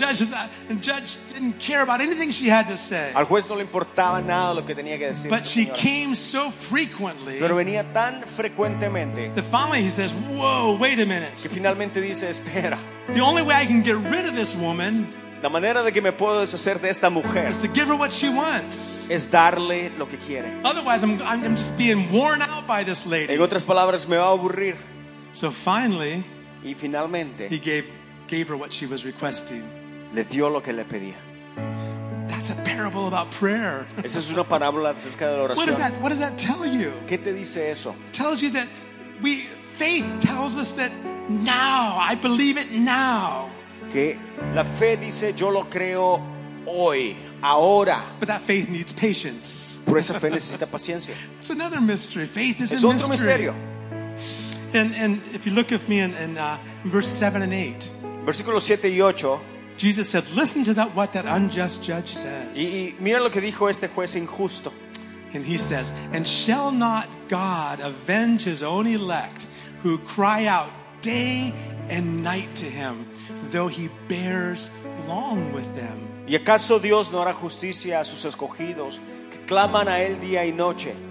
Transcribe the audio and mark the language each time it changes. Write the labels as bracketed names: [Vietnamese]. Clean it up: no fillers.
[English] The judge didn't care about anything she had to say. [Spanish] Al juez no le importaba nada lo que tenía que decir. [English] But she came so frequently. [Spanish] Pero venía tan frecuentemente. [English] The family says, "Whoa, wait a minute." [Spanish] Que finalmente dice, "Espera." [English] The only way I can get rid of this woman. [Spanish] La manera de que me puedo deshacer de esta mujer [English] is to give her what she wants. [Spanish] Es darle lo que quiere. [English] Otherwise, I'm just being worn out by this lady. [Spanish] En otras palabras, me va a aburrir. [English] So finally, [Spanish] y finalmente, [English] he gave her what she was requesting. [Spanish] Le dio lo que le pedía. [English] That's a parable about prayer. [Spanish] Esa es una parábola acerca de la oración. [English] What does that tell you? [Spanish] ¿Qué te dice eso? [English] It tells you that faith tells us that now, I believe it now. [Spanish] Que la fe dice yo lo creo hoy, ahora. [English] But that faith needs patience. [Spanish] Por esa fe necesita paciencia. [English] It's another mystery. Faith is [Spanish] es [English] a mystery. [Spanish] Es otro misterio. [English] And if you look at me in verse 7 and 8. [Spanish] Versículos 7 y 8. [English] Jesus said, "Listen to what that unjust judge says." [Spanish] Y mira lo que dijo este juez injusto. [English] And he says, "And shall not God avenge his own elect who cry out day and night to him, though he bears long with them?" [Spanish] ¿Y acaso Dios no hará justicia a sus escogidos que claman a él día y noche?